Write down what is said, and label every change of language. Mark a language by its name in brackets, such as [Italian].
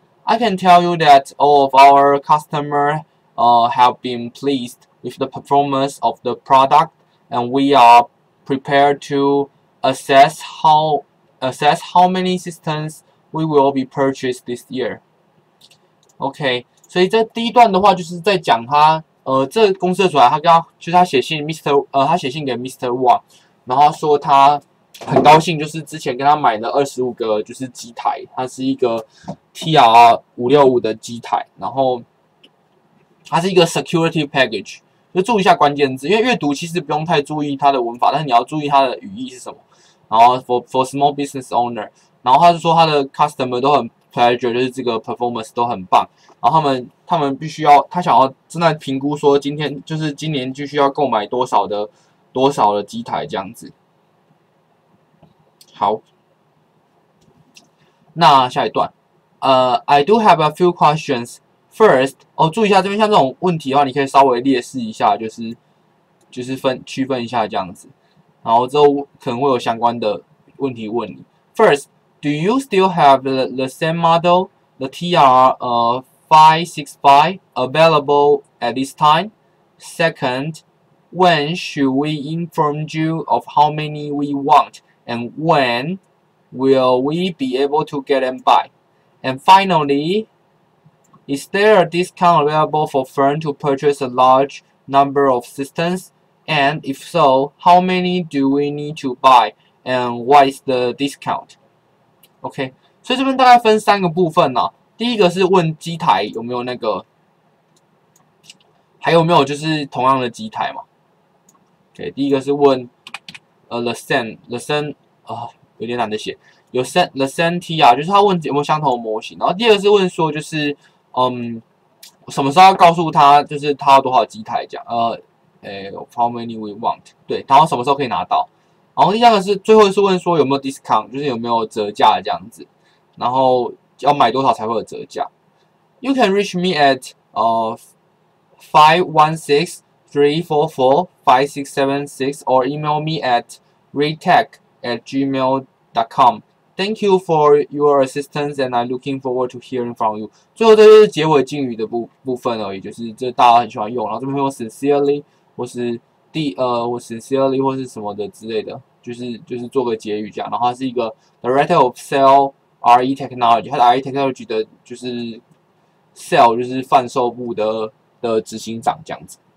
[English] I can tell you that all of our customers have been pleased with the performance of the product, and we are prepared to assess how many systems we will be purchased this year. [Chinese] OK，所以这第一段的话就是在讲他，这公司的主管，他刚就是他写信，Mr. 他写信给 Mr. Wang，然后说他很高兴，就是之前跟他买了25个，就是机台，它是一个 TR565 的机台，然后它是一个 [English] security package， [Chinese] 就注意一下关键字，因为阅读其实不用太注意它的文法，但是你要注意它的语义是什么。然后 [English] for small business owner， [Chinese] 然后他就说他的 customer 都很 pleasure，就是这个 performance 都很棒，然后他们必须要，他想要正在评估说今天就是今年就需要购买多少的机台这样子。好，那下一段， [English] I do have a few questions. [Chinese] First，哦，注意一下这边，像这种问题的话，你可以稍微列示一下，就是区分一下这样子，然后之后可能会有相关的问题问你。 [English] First，do you still have the same model, the TR565 available at this time? Second，when should we inform you of how many we want? And when will we be able to get them by? And finally, is there a discount available for firm to purchase a large number of systems? And if so, how many do we need to buy? And what is the discount? [Chinese] OK，所以这边大概分三个部分呢、啊。第一个是问机台有没有那个，还有没有就是同样的机台嘛？OK，第一个是问 [English] the same。 [Chinese] 有点懒得写，有 [English] send the same T [Chinese] 啊，就是他问有没有相同的模型。然后第二个是问说，就是什么时候要告诉他，就是他要多少机台这样， [English] how many we want， [Chinese] 对，然后什么时候可以拿到。然后第三个是最后是问说有没有 discount，就是有没有折价这样子，然后要买多少才会有折价。 [English] You can reach me at 516-344-5676 or email me at retech@gmail.com. Thank you for your assistance, and I'm looking forward to hearing from you. [Chinese] 最后，这就是结尾敬语的部分而已，就是这大家很喜欢用。然后这边用 sincerely 或是 d 或 sincerely 或是什么的之类的，就是做个结语这样。然后它是一个 [English] director of sale RE technology， [Chinese] 它的 RE technology 的就是 sale 就是贩售部的执行长这样子。